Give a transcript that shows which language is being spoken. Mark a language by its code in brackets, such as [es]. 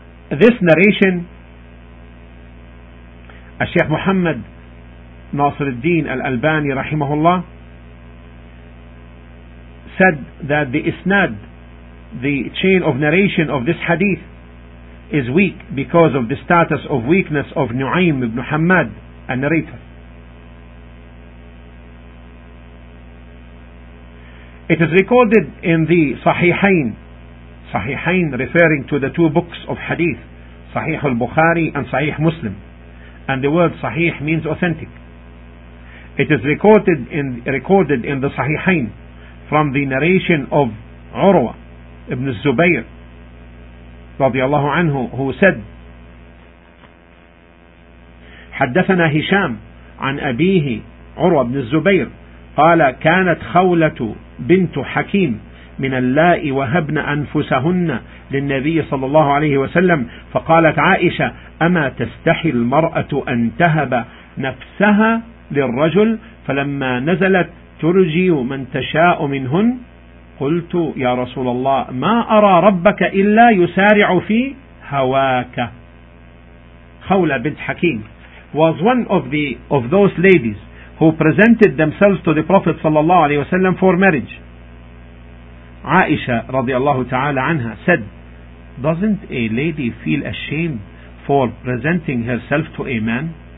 [en] This narration, Sheikh Muhammad Nasiruddin Al-Albani rahimahullah said that the isnad, the chain of narration of this hadith, is weak because of the status of weakness of Nu'aym ibn Hammad, a narrator. It is recorded in the Sahihain. Sahihain referring to the two books of hadith, Sahih al-Bukhari and Sahih Muslim. And the word Sahih means authentic. It is recorded in the Sahihain from the narration of Urwa ibn Zubayr radiallahu anhu, who said, [ar] حَدَّثَنَا هِشَامْ عَنْ أَبِيهِ عُرْوَى بْنِ الزُّبَيْرِ قَالَ كَانَتْ خَوْلَةُ بنت حكيم من اللائي وهبن أنفسهن للنبي صلى الله عليه وسلم فقالت عائشة أما تستحي المرأة أن تهب نفسها للرجل فلما نزلت ترجي من تشاء منهن قلت يا رسول الله ما أرى ربك إلا يسارع في هواك. [en] خولة بنت حكيم was one of those ladies who presented themselves to the Prophet sallallahu alaihi wasallam for marriage. Aisha radiallahu ta'ala anha said, doesn't a lady feel ashamed for presenting herself to a man?